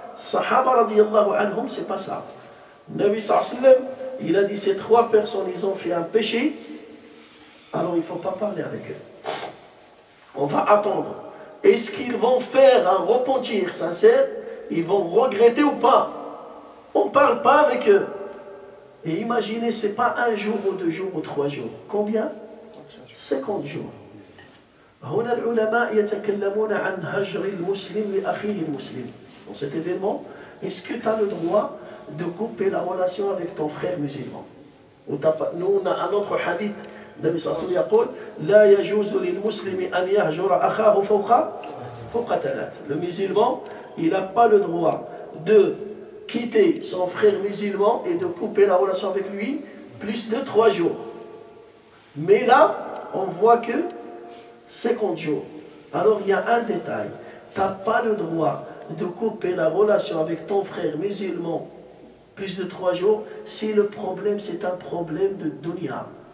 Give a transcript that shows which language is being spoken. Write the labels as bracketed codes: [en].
[fr] Sahaba radiyallahu anhum, c'est pas ça. Nabi sallallahu alayhi wa sallam, il a dit, ces trois personnes, ils ont fait un péché, alors il ne faut pas parler avec eux. On va attendre. Est-ce qu'ils vont faire un repentir sincère? Ils vont regretter ou pas? On ne parle pas avec eux. Et imaginez, ce n'est pas un jour ou deux jours ou trois jours. Combien? 50 jours. [ar] هنا العلماء يتكلمون عن هجر المسلم لأخيه المسلم. [fr] Dans cet événement, est-ce que tu as le droit de couper la relation avec ton frère musulman? Nous, on a un autre hadith. [ar] Nabi sallallahu alayhi wa sallam dit: لا يجوز للمسلم أن يهجر أخاه فوق ثلاث. [fr] Le musulman, il n'a pas le droit de quitter son frère musulman et de couper la relation avec lui plus de 3 jours. Mais là, on voit que 50 jours. Alors, il y a un détail. Tu n'as pas le droit de couper la relation avec ton frère musulman plus de 3 jours si le problème, c'est un problème de dunya.